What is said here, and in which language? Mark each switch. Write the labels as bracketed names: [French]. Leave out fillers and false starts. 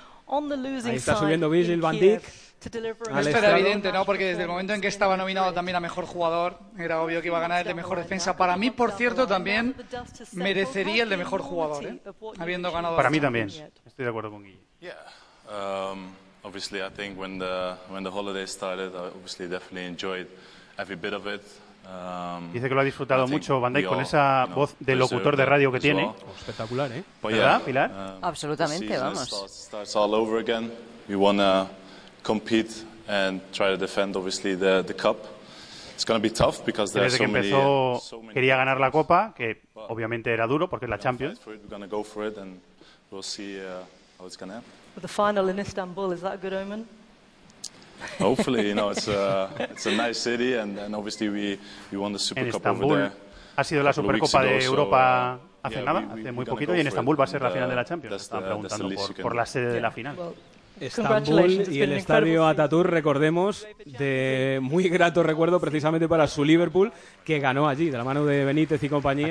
[Spanish] Ahí está subiendo Virgil van Dijk. Esto era evidente, ¿no? Porque desde el momento en que estaba nominado también a mejor jugador, era obvio que iba a ganar el de mejor defensa. Para mí, por cierto, también merecería el de mejor jugador, habiendo ganado. Para mí también. Estoy de acuerdo con Guille. [English] Obviously, I think when the holidays started, I obviously definitely enjoyed every bit of it. [Spanish] Dice que lo ha disfrutado mucho Van Dijk con esa voz de locutor de radio que tiene. Espectacular, ¿eh? But ¿verdad, Pilar? Absolutamente, vamos. [English] Starts all over again. We want to compete and try to defend, obviously, the cup. It's going to be tough because there are so many. [Spanish] Desde que empezó quería ganar la Copa, que obviamente era duro porque es la Champions. [English] We're going to go for it and we'll see how it's going to happen. But the final in Istanbul, is that a good omen? Hopefully, you know, it's a nice city and obviously we won the Super Cup over there. [Spanish] Ha sido la Supercopa de Europa hace nada, hace muy poquito, y en Estambul va a ser la final de la Champions. Estaba preguntando por la sede de la final. Estambul y el estadio Atatürk, recordemos, de muy grato recuerdo precisamente para su Liverpool, que ganó allí, de la mano de Benítez y compañía.